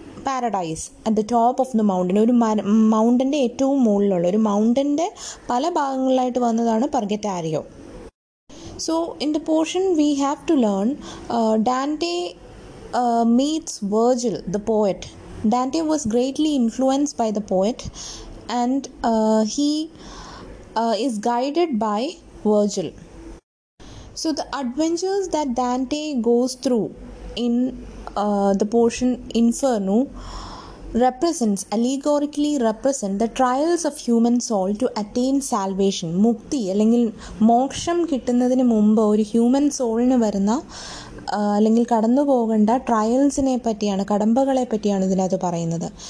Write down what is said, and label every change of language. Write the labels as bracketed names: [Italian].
[Malayalam] Paradise at the top of the mountain, ഒരു മൗണ്ടൻ്റെ ഏറ്റവും മുകളിലുള്ള ഒരു മൗണ്ടൻ്റെ പല ഭാഗങ്ങളിലായിട്ട് വന്നതാണ് പർഗറ്റാരിയോ. [English] So in the portion we have to learn, Dante meets Virgil, the poet. Dante was greatly influenced by the poet, and he is guided by Virgil. So the adventures that Dante goes through in the portion Inferno represents, allegorically represent, the trials of human soul to attain salvation, mukti, [Malayalam] അല്ലെങ്കിൽ മോക്ഷം കിട്ടുന്നതിന് മുമ്പ് ഒരു human സോളിന് വരുന്ന അല്ലെങ്കിൽ കടന്നു പോകേണ്ട ട്രയൽസിനെ പറ്റിയാണ്, കടമ്പകളെ പറ്റിയാണ് ഇതിനകത്ത് പറയുന്നത്.